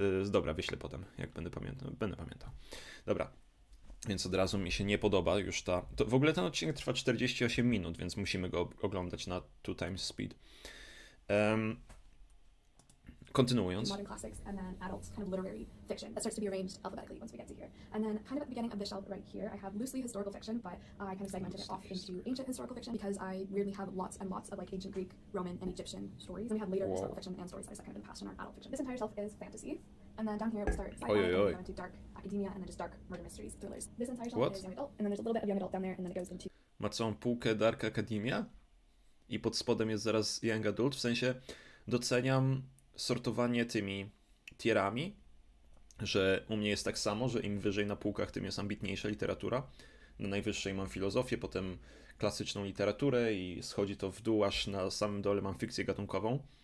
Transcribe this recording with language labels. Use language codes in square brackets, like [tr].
[pl] Dobra, wyślę potem, jak będę pamiętał. Będę pamiętał. Dobra, więc od razu mi się nie podoba już ta... To w ogóle ten odcinek trwa 48 minut, więc musimy go oglądać na 2x speed. Kontynuując. [en] Modern classics and then adults kind of literary fiction that starts to be arranged alphabetically once we get to here. And then kind of at the beginning of the shelf right here, I have loosely historical fiction, but I kind of segmented it off into ancient historical fiction because I weirdly have lots and lots of like ancient Greek, Roman, and Egyptian stories. And we have later historical fiction and stories that I set kind of in the past and aren't adult fiction. This entire shelf is fantasy. And then down here we start into dark academia and then just dark murder mysteries, thrillers. This entire shelf is young adult, and then there's a little bit of young adult down there, and then it goes into... [pl] Ma całą półkę dark academia? I pod spodem jest zaraz young adult, w sensie doceniam sortowanie tymi tierami, że u mnie jest tak samo, że im wyżej na półkach, tym jest ambitniejsza literatura. Na najwyższej mam filozofię, potem klasyczną literaturę i schodzi to w dół, aż na samym dole mam fikcję gatunkową.